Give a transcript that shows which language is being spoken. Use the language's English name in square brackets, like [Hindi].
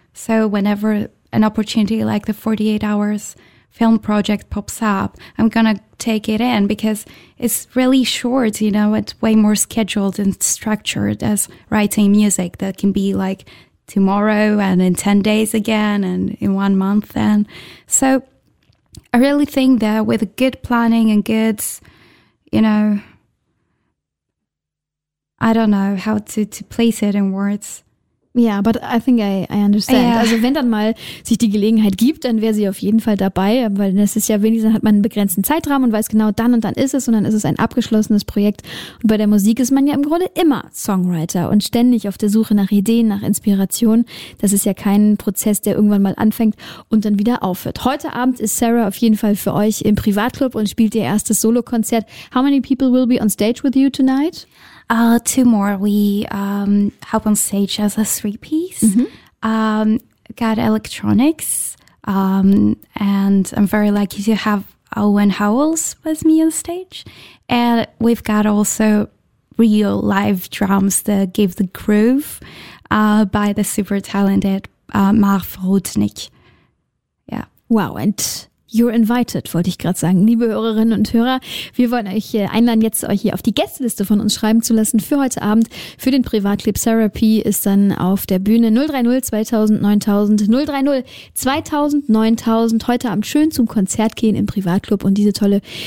[English] So whenever an opportunity like the 48 hours film project pops up, I'm going to take it in because it's really short, you know, it's way more scheduled and structured as writing music that can be like tomorrow and in 10 days again and in 1 month then. So I really think that with good planning and good, you know, I don't know how to place it in words. Yeah, but I think I understand. Yeah. [German] Also wenn dann mal sich die Gelegenheit gibt, dann wäre sie auf jeden Fall dabei, weil das ist ja wenigstens, hat man einen begrenzten Zeitrahmen und weiß genau, dann und dann ist es und dann ist es ein abgeschlossenes Projekt. Und bei der Musik ist man ja im Grunde immer Songwriter und ständig auf der Suche nach Ideen, nach Inspiration. Das ist ja kein Prozess, der irgendwann mal anfängt und dann wieder aufhört. Heute Abend ist Sarah auf jeden Fall für euch im Privatclub und spielt ihr erstes Solokonzert. [English] How many people will be on stage with you tonight? Two more. We hop on stage as a three-piece. Mm-hmm. Got electronics. And I'm very lucky to have Owen Howells with me on stage. And we've got also real live drums that give the groove by the super talented Marv Rudnick. Yeah. Wow, and you're invited, [German] wollte ich gerade sagen. Liebe Hörerinnen und Hörer, wir wollen euch einladen, jetzt euch hier auf die Gästeliste von uns schreiben zu lassen für heute Abend. Für den Privatclub Therapy ist dann auf der Bühne 030-2000-9000. 030-2000-9000. Heute Abend schön zum Konzert gehen im Privatclub und diese tolle